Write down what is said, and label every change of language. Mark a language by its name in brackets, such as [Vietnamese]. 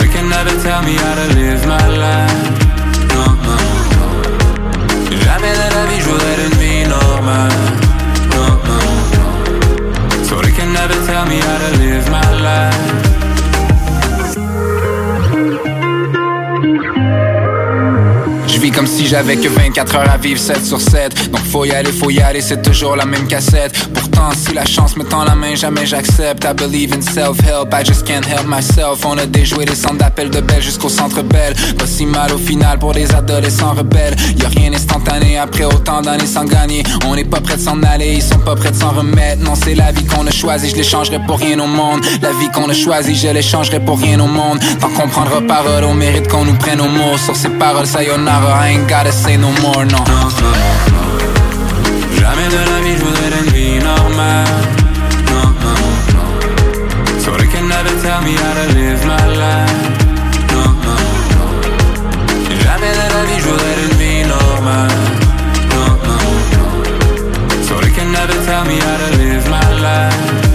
[English] Never tell me how to live my life. No, no, no. [French] Jamais de la vie, je voudrais une vie normale. [English] No, no, no. So they can never tell me how to live my life. [French] Je vis comme si j'avais que 24 heures à vivre 7 sur 7. Donc faut y aller, c'est toujours la même cassette. Pourtant, si la chance me tend la main, jamais j'accepte. [English] I believe in self-help, I just can't help myself. [French] On a déjoué les centres d'appel de Bell jusqu'au centre Bell. Pas si mal au final pour des adolescents rebelles. Y'a rien d'instantané après autant d'années sans gagner. On n'est pas prêt de s'en aller, ils sont pas prêts de s'en remettre. Non, c'est la vie qu'on a choisi, je l'échangerai pour rien au monde. La vie qu'on a choisi, je l'échangerai pour rien au monde. Tant qu'on prendra parole, on mérite qu'on nous prenne au mot. Sur ces paroles, [English] sayonara. I ain't gotta say no more, no. No, no, no. [French] Jamais de la vie, je voudrais une vie, no. [English] mind. No, no, no. So they can never tell me how to live my life. No, no, no. [French] Jamais de la vie, j'aurais une vie normale. [English] No, no, no. So they can never tell me how to live my life.